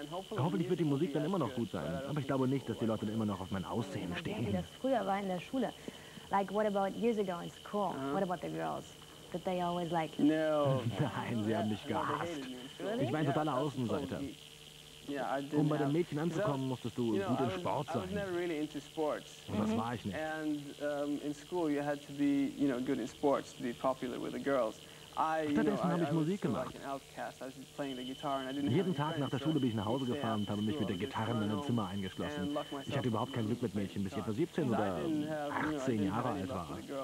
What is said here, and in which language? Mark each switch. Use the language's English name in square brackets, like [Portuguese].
[German] Hoffentlich wird die Musik dann immer noch gut sein. Aber ich glaube nicht, dass die Leute immer noch auf mein Aussehen stehen. Wie das früher war in der Schule. [English] Like, what about years ago in school? What about the girls? Did they always like you? [German] Nein, sie haben mich gehasst. Ich war ein totaler Außenseiter. [English] Yeah, [German] um bei den Mädchen anzukommen, musstest du gut im Sport sein. [English] I was never really into sports. [German] Und das war ich nicht. [English] And in school you had to be, you know, good in sports to be popular with the girls. [German] Stattdessen habe ich Musik gemacht. Jeden Tag nach der Schule bin ich nach Hause gefahren und habe mich mit der Gitarre in meinem Zimmer eingeschlossen. Ich hatte überhaupt kein Glück mit Mädchen, bis ich etwa 17 oder 18 Jahre alt war.